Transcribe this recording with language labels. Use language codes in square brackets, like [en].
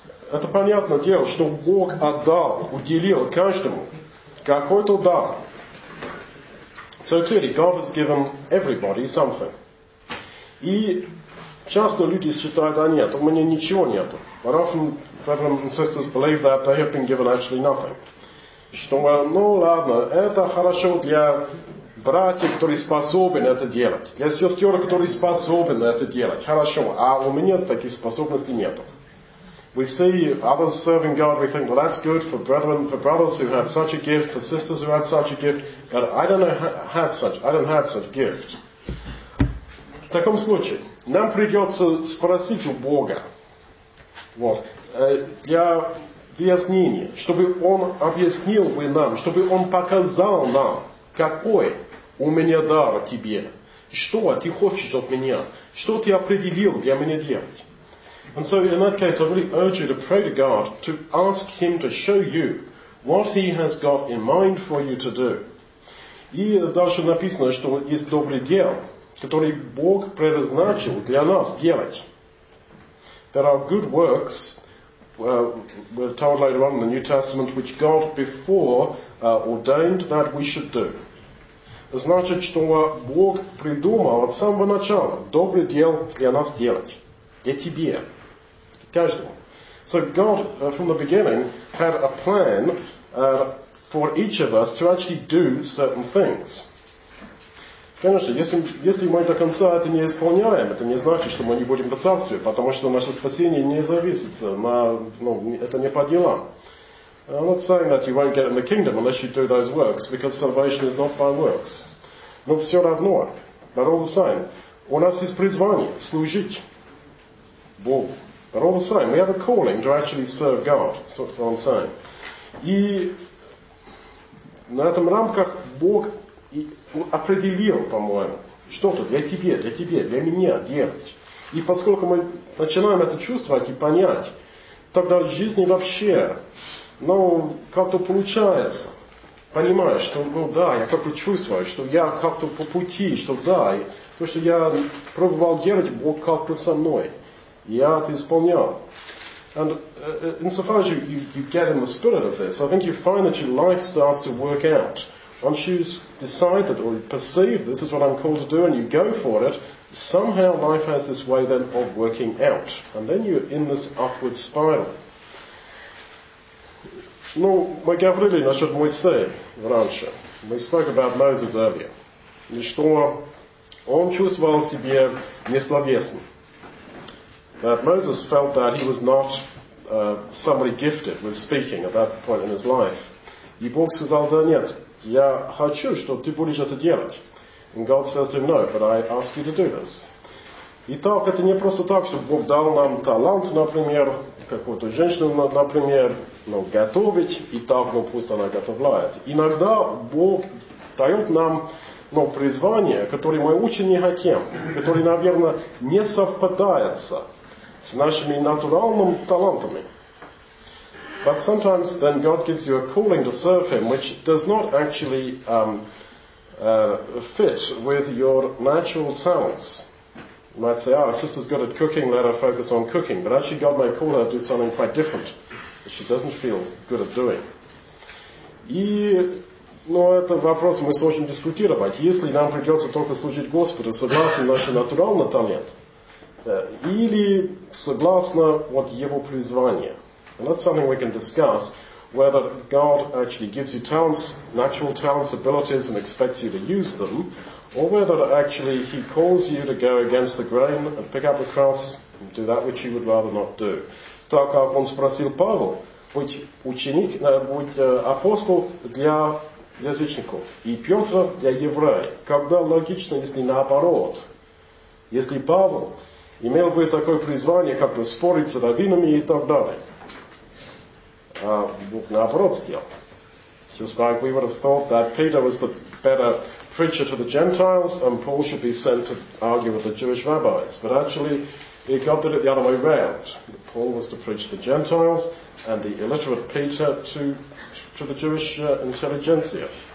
[ru] Это понятное дело, что Бог отдал, уделил каждому какой-то дар. [en] So clearly, God has given everybody something. [ru] И часто люди считают, да нет, у меня ничего нету. [en] But often, brothers and sisters believe that they have been given actually nothing. [ru] Что, ну ладно, это хорошо для братьев, которые способны это делать. Для сестер, которые способны это делать. Хорошо, а у меня таких способностей нету. [en] We see others serving God, we think, well, that's good for brethren, for brothers who have such a gift, for sisters who have such a gift, but I don't have such gift. [ru] В таком случае, нам придется спросить у Бога, вот, для объяснения, чтобы Он объяснил бы нам, чтобы Он показал нам, какой у меня дар тебе, что ты хочешь от меня, что ты определил для меня делать. [en] And so in that case, I really urge you to pray to God to ask Him to show you what He has got in mind for you to do. [ru] И дальше написано, что есть добрые дела, которые Бог предназначил для нас делать. [en] There are good works, we're told later on in the New Testament, which God before ordained that we should do. [ru] значит, что Бог придумал от самого начала добрый дел для нас делать. Для тебя. Каждому. [en] So God, from the beginning, had a plan for each of us to actually do certain things. [ru] Конечно, если мы до конца это не исполняем, это не значит, что мы не будем в царстве, потому что наше спасение не зависит на, ну, это не по делам. [en] I'm not saying that you won't get in the kingdom unless you do those works, because salvation is not by works. [ru] Но все равно, [en] but all the same, [ru] у нас есть призвание служить Богу. [en] But all the same, we have a calling to actually serve God. That's what I'm saying. [ru] И на этом рамках Бог определил, по-моему, что-то для тебя, для меня делать. И поскольку мы начинаем это чувствовать и понять, тогда в жизни вообще, ну, как-то получается. Понимаешь, что, ну да, я как-то чувствую, что я как-то по пути, что да, то, что я пробовал делать, Бог как-то со мной. Я это исполнял. [en] And insofar as you get in the spirit of this, I think you find that your life starts to work out. Once you decide that or perceive this is what I'm called to do and you go for it, somehow life has this way then of working out. And then you're in this upward spiral. [ru] Ну, мы говорили насчет Моисея раньше. [en] We spoke about Moses earlier. [ru] И что он чувствовал себя несловесным. [en] That Moses felt that he was not somebody gifted with speaking at that point in his life. [ru] И Бог сказал, да нет, я хочу, чтобы ты будешь это делать. [en] And God says to him, no, but I ask you to do this. [ru] Итак, это не просто так, что Бог дал нам талант, например, какую-то женщину, например, ну, готовить, и так, ну, пусть она готовляет. Иногда Бог дает нам ну, призвание, которое мы очень не хотим, которое, наверное, не совпадается с нашими натуральными талантами. [en] But sometimes then God gives you a calling to serve Him which does not actually fit with your natural talents. You might say, oh, sister's good at cooking, let her focus on cooking. But actually God may call her to do something quite different that she doesn't feel good at doing. [ru] И, ну, это вопрос мы сможем дискутировать. Если нам придется только служить Господу согласно нашим натуральным талантам, или согласно вот его призванию. [en] And that's something we can discuss, whether God actually gives you talents, natural talents, abilities, and expects you to use them, or whether actually he calls you to go against the grain and pick up a cross and do that which you would rather not do. [ru] Так как он спросил Павел, быть ученик, быть апостол для язычников, и Петр для еврея. Когда логично, если наоборот, если Павел имел бы такое призвание, как бы спорить с раввинами и так далее. А Бог наоборот сделал. [en] Just like we would have thought that Peter was the better preacher to the Gentiles and Paul should be sent to argue with the Jewish rabbis. But actually, he got it the other way around. Paul was to preach to the Gentiles and the illiterate Peter to the Jewish intelligentsia.